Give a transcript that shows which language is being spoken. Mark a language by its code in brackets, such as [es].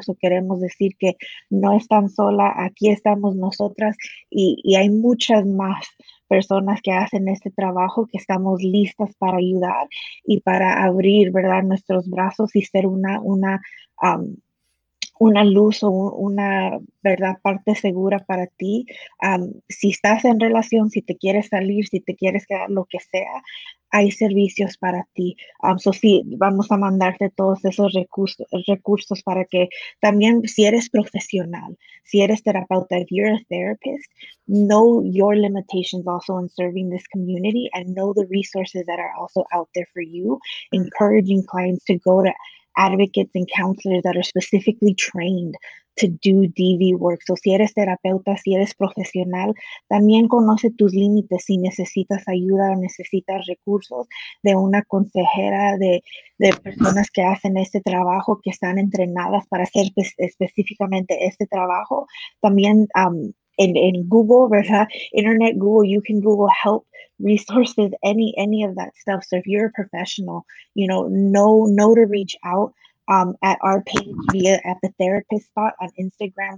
[es] So queremos decir que no están sola, aquí estamos nosotras y hay muchas más personas que hacen este trabajo, que estamos listas para ayudar y para abrir, ¿verdad?, nuestros brazos y ser una luz o una, ¿verdad?, parte segura para ti. [en] Si estás en relación, si te quieres salir, si te quieres quedar, lo que sea, hay servicios para ti. [es] So sí, vamos a mandarte todos esos recursos para que también, si eres profesional, si eres terapeuta, [en] if you're a therapist, know your limitations also in serving this community and know the resources that are also out there for you, encouraging clients to go to advocates and counselors that are specifically trained to do DV work. [es] So si eres terapeuta, si eres profesional, también conoce tus límites, si necesitas ayuda o necesitas recursos de una consejera, de personas que hacen este trabajo, que están entrenadas para hacer específicamente este trabajo. También en Google, ¿verdad? [en] Internet, Google, you can Google help resources, any of that stuff. So if you're a professional, you know to reach out at our page via at the therapist spot on Instagram.